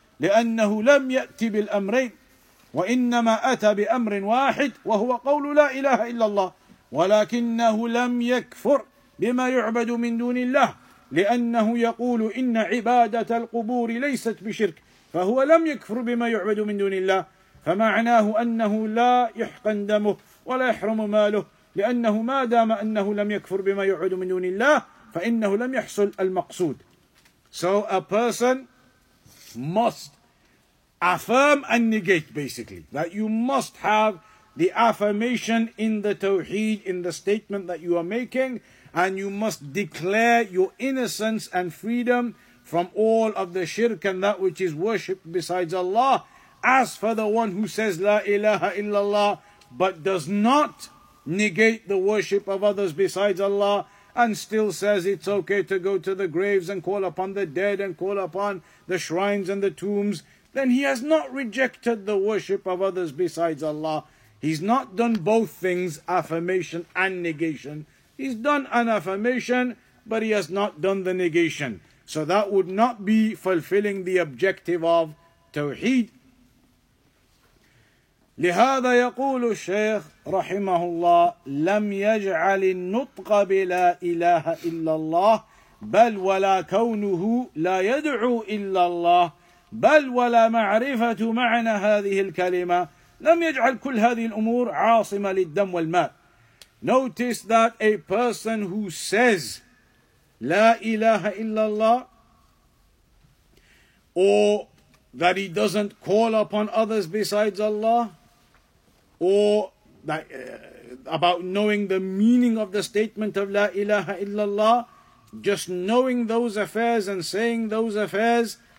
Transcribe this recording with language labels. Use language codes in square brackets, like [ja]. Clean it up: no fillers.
[ar] لأنه لم يأتي بالأمرين وإنما أتى بأمر واحد وهو قول لا إله إلا الله، ولكنه لم يكفر بما يعبد من دون الله لأنه يقول إن عبادة القبور ليست بشرك، فهو لم يكفر بما يعبد من دون الله، فمعناه أنه لا يحقن دمه ولا يحرم ماله، لأنه ما دام أنه لم يكفر بما يعبد من دون الله فإنه لم يحصل المقصود. [en] So a person must affirm and negate, basically. That you must have the affirmation in the tawheed, in the statement that you are making, and you must declare your innocence and freedom from all of the shirk and that which is worshipped besides Allah. As for the one who says [ar] La ilaha illallah, [en] but does not negate the worship of others besides Allah, and still says it's okay to go to the graves and call upon the dead and call upon the shrines and the tombs, then he has not rejected the worship of others besides Allah. He's not done both things, affirmation and negation. He's done an affirmation, but he has not done the negation. So that would not be fulfilling the objective of Tawheed. [ar] لهذا يقول الشيخ رحمه الله لم يجعل النطق بلا إله إلا الله بل ولا كونه لا يدعو إلا الله بل ولا معرفة معنى هذه الكلمة لم يجعل كل هذه الأمور عاصمة للدم والماء. [en] Notice that a person who says [ar] لا إله إلا الله [en] or that he doesn't call upon others besides Allah or that, about knowing the meaning of the statement of La ilaha illallah, just knowing those affairs and saying those affairs,